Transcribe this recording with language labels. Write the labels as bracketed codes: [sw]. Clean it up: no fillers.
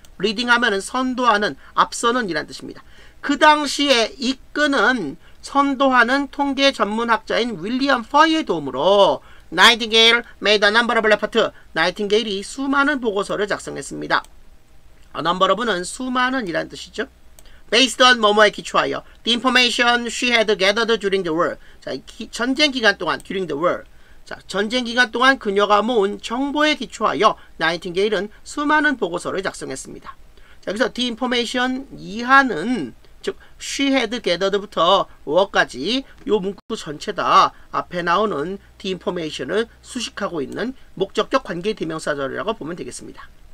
[ko] leading 하면은 선도하는, 앞서는 이란 뜻입니다. 그 당시에 이끄는 선도하는 통계 전문학자인 윌리엄 퍼의 도움으로 나이팅게일, [en] 메이드 어 넘버 오브 레퍼트, [ko] 나이팅게일이 수많은 보고서를 작성했습니다. 어 넘버 오브는 수많은이란 뜻이죠. [en] Based on [ko] 뭐뭐에 기초하여 [en] The information she had gathered during the war. [ko] 자, 전쟁 기간 동안 [en] during the war. [ko] 자, 전쟁 기간 동안 그녀가 모은 정보에 기초하여 나이팅게일은 수많은 보고서를 작성했습니다. 자, 여기서 The information 이하는 즉 she had gathered부터 were까지 요 문구 전체다 앞에 나오는 the information을 수식하고 있는 목적격 관계 대명사절이라고 보면 되겠습니다.